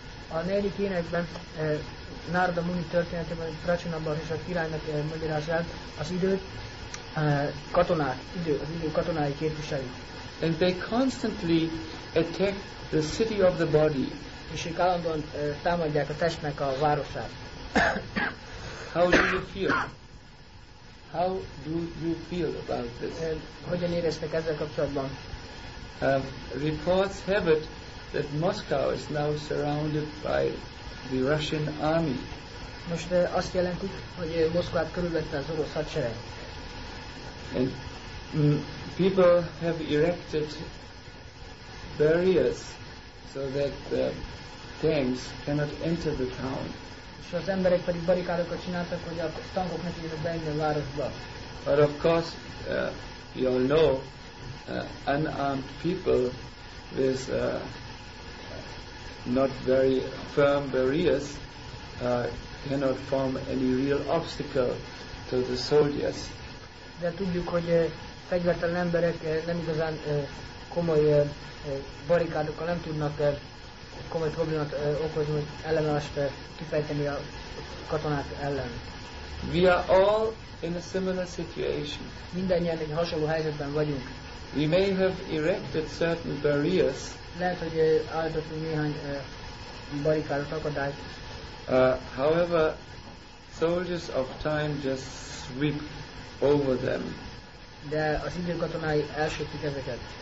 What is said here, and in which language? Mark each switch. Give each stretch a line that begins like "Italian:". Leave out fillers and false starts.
Hungarian: A negyedik énekben Narada Muni történetében Prachinabharishat királynak magyarázzák az időt, katonák, idő, az idő katonái képviselik.
English: And they constantly attack the city of the body.
Hungarian: És ők állandóan támadják a testnek a városát.
English: How do you feel? How do you feel about this?
Hungarian: Hogyan éreztek ezzel kapcsolatban?
English: Reports have it that Moscow is now surrounded by the Russian army.
Hungarian: Most azt jelentik, hogy Moszkvát körülvette az orosz hadsereg.
English: And people have erected barriers so that the tanks cannot enter the town.
Hungarian: És az emberek pedig barikádokat csináltak, hogy a tankok ne tudjanak bejönni a városba.
English: But of course, we all know, unarmed people with not very firm barriers cannot form any real obstacle to the soldiers.
Hungarian: De tudjuk, hogy fegyvertelen emberek nem igazán komoly barikádokkal nem tudnak komoly problémát okozni, hogy ellenállást kifejteni a katonák ellen.
English: We are all in a similar situation.
Hungarian: Mindannyian egy hasonló helyzetben vagyunk.
English: We may have erected certain barriers.
Hungarian: Lehet, hogy állítottunk néhány barikádot, akadályt.
English: However, soldiers of time just sweep over them.
Hungarian: De az idő katonái elsöpik ezeket.